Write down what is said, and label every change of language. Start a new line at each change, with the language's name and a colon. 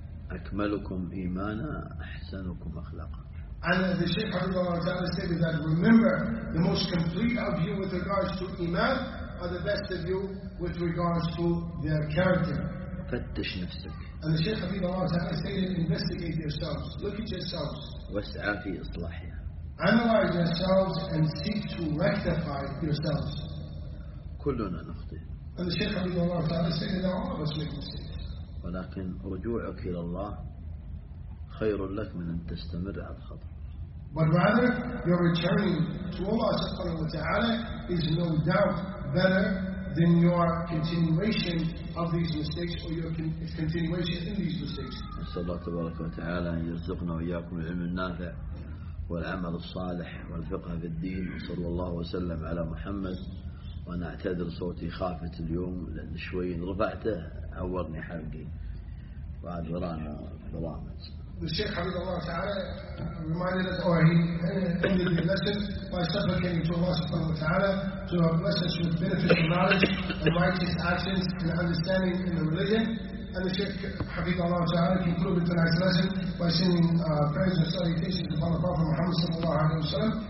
Arabic: أكملكم إيمانا أحسنكم أخلاقا.
English: And the Shaykh Habibullah Ta'ala said that remember the most complete of you with regards to iman are the best of you with regards to their character.
Arabic: فتش نفسك.
English: And the Shaykh Habibullah Ta'ala said investigate yourselves, look at yourselves.
Arabic: واسعى في إصلاحها.
English: Analyze yourselves and seek to rectify yourselves.
Arabic: كلنا نخطئ.
English: And the Shaykh Habibullah Ta'ala said that all of us make mistakes.
Arabic: ولكن رجوعك إلى الله خير لك من أن تستمر على الخطأ.
English: But rather your returning to Allah
Arabic: subhanahu wa ta'ala
English: is no doubt better than your continuation of these mistakes or your continuation in these mistakes.
Arabic: نسأل الله تبارك وتعالى أن يرزقنا وإياكم العلم النافع والعمل الصالح والفقه في الدين، وصلى الله وسلم على محمد. وأنا أعتذر صوتي خافت اليوم لأن شوي رفعته عورني حلقي بعد ورانا برامج. الشيخ حبيب الله تعالى
English: reminded us, or he ended the lesson by supplicating to Allah
Arabic: subhanahu wa ta'ala
English: to bless us with beneficial knowledge and righteous actions and understanding in the religion. And the Shaykh
Arabic: حبيب الله تعالى
English: concluded tonight's lesson by sending prayers and salutations upon the Prophet Muhammad
Arabic: sallallahu alaihi wasallam.